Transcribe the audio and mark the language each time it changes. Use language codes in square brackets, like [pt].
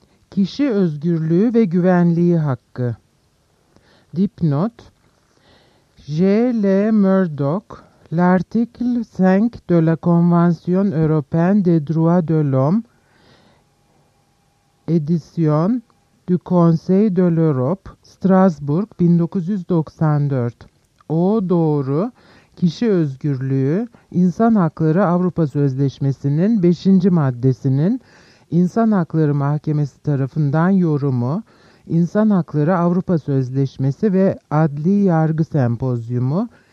[tr] Kişi özgürlüğü ve güvenliği hakkı. Dipnot. J. L. [fr] Murdoch, L'article 5 de la Convention européenne des droits de l'homme, Edition du Conseil de l'Europe, Strasbourg 1994. [tr] O doğru. Kişi özgürlüğü, İnsan Hakları Avrupa Sözleşmesi'nin 5. maddesinin İnsan Hakları Mahkemesi tarafından yorumu, İnsan Hakları Avrupa Sözleşmesi ve Adli Yargı Sempozyumu,